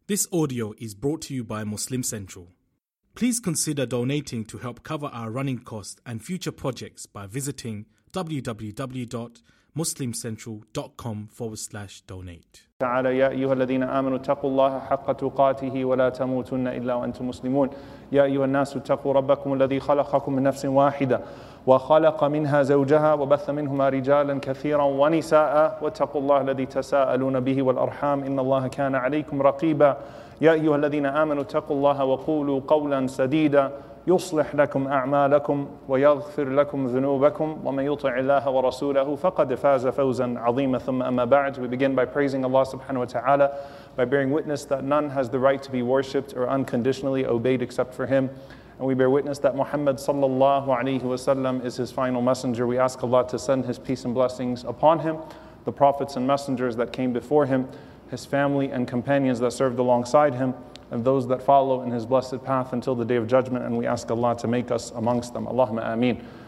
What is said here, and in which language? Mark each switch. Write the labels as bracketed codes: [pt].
[en] This audio is brought to you by Muslim Central. Please consider donating to help cover our running costs and future projects by visiting www.muslimcentral.com/donate. [ar] تعالى يا أيها الذين آمنوا اتقوا الله حق تقاته ولا تموتن إلا وأنتم مسلمون يا أيها الناس اتقوا ربكم الذي خلقكم من نفس واحدة وخلق منها زوجها وبث منهما رجالا كثيرا ونساء واتقوا الله الذي تساءلون به والأرحام إن الله كان عليكم رقيبا يا أيها الذين آمنوا اتقوا الله وقولوا قولا سديدا يصلح لكم أعمالكم ويغفر لكم ذنوبكم ومن يطع الله ورسوله فقد فاز فوزا عظيما ثم أما بعد. [en] We begin by praising Allah subhanahu wa ta'ala by bearing witness that none has the right to be worshipped or unconditionally obeyed except for Him. And we bear witness that Muhammad sallallahu alayhi wa sallam is His final messenger. We ask Allah to send His peace and blessings upon Him, the prophets and messengers that came before Him, His family and companions that served alongside Him, and those that follow in His blessed path until the Day of Judgment, and we ask Allah to make us amongst them. Allahumma ameen.